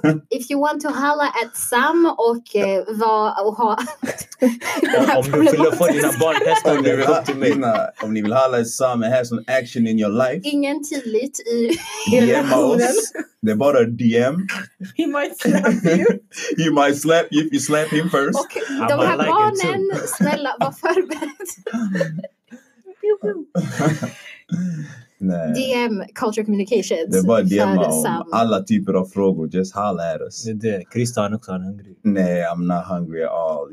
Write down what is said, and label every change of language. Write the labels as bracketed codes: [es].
[en] If you want to holla at Sam [sv] och vara och ha om du vill få dina barn testade om ni vill [en] holla at Sam and have some action in your life, [sv] ingen tillit i DM oss. Det är bara DM. [en] He might slap you. He might slap you if you slap him first. [sv] Okay, de här like barnen, snälla, var förberedd. Nej. DM, Culture Communications. Det är bara DM om alla typer av frågor. [en] Just holla at us. [sv] Krista är också hungrig. [en] Nej, I'm not hungry at all.